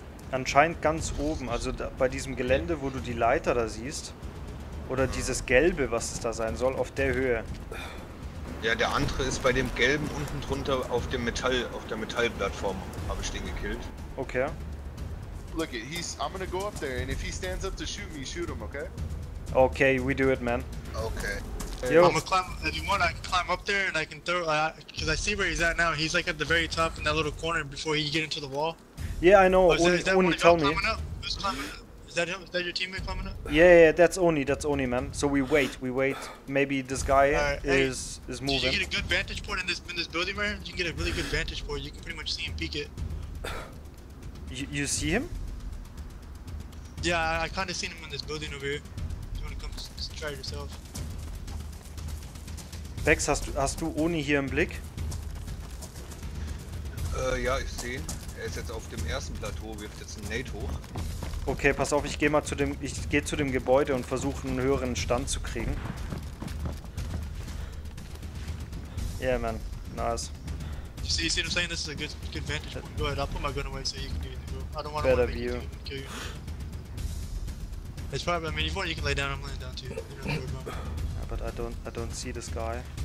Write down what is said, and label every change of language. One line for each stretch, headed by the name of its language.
German: Anscheinend ganz oben, also da, bei diesem Gelände, wo du die Leiter da siehst. Oder dieses Gelbe, was es da sein soll, auf der Höhe. Ja, der andere ist bei dem Gelben unten drunter auf dem Metall, auf der Metallplattform, habe ich den gekillt. Okay.
English: Look it, I'm gonna go up there and if he stands up to shoot me, shoot him, okay? Okay, we do it, man. Okay. Hey, yo. I'm gonna climb, if you want, I can climb up there and I can throw, because I see where he's at now. He's like at the very top in that little corner before he get into the wall. Yeah, I know. Uni, tell me. Is that your teammate coming up? Yeah, that's Oni, man. So we wait. Maybe this guy is moving. Did you get a good vantage point in this building, man? You can get a really good vantage point. You can pretty much see him peek it. You see him? Yeah, I kind of seen him in this building over here. If you want to come try it yourself.
German: Bex, hast du Oni hier im Blick? Ja, ich sehe ihn. Er ist jetzt auf dem ersten Plateau, wirft jetzt einen Nate hoch. Okay, pass auf, ich gehe zu dem Gebäude und versuche einen höheren Stand zu kriegen.
English: Yeah, man. Nice. You see what I'm saying? This is a good vantage point. Go ahead, I'll put my gun away so you can do anything, bro. I don't want to make you kill you. It's probably, I mean, if you want, you can lay down, I'm laying down too. But I don't see this guy.